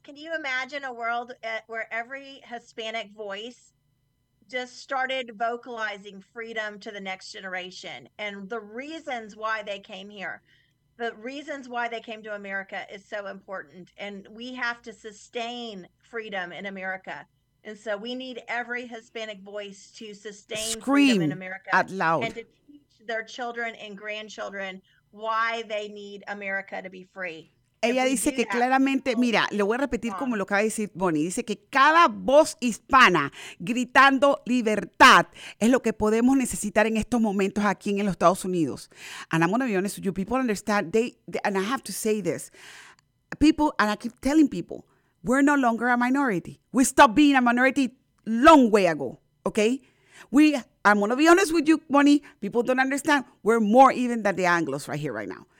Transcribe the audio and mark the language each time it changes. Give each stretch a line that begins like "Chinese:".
English: Can you imagine a world where every Hispanic voice just started vocalizing freedom to the next generation and the reasons why they came here, the reasons why they came to America is so important. And we have to sustain freedom in America. And so we need every Hispanic voice to sustain scream freedom in America out loud and to teach their children and grandchildren why they need America to be free.
Spanish: Ella dice que claramente, mira, le voy a repetir como lo acaba de decir Bonnie, dice que cada voz hispana gritando libertad es lo que podemos necesitar en estos momentos aquí en los Estados Unidos.
English: And I'm going to be honest with you, people understand, and I have to say this, people, and I keep telling people, we're no longer a minority. We stopped being a minority long way ago, okay? I'm going to be honest with you, Bonnie, people don't understand, we're more even than the Anglos right here, right now.